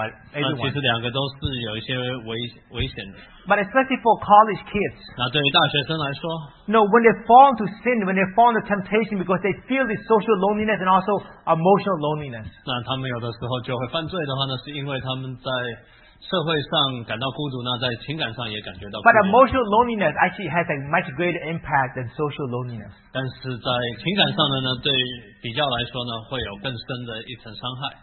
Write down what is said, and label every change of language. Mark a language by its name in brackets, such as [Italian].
[Chinese] 其实两个都是有一些危险的。 [English] But especially for college kids. [Chinese] 那对于大学生来说, [English] no, when they fall to sin, when they fall to temptation because they feel this social loneliness and also emotional loneliness. [Chinese] 那他们有的时候就会犯罪的话呢, 是因为他们在 社会上感到孤独, 那在情感上也感觉到孤独。 [English] But emotional loneliness actually has a much greater impact than social loneliness. [Chinese] 但是在情感上的呢, 对比较来说呢, 会有更深的一层伤害。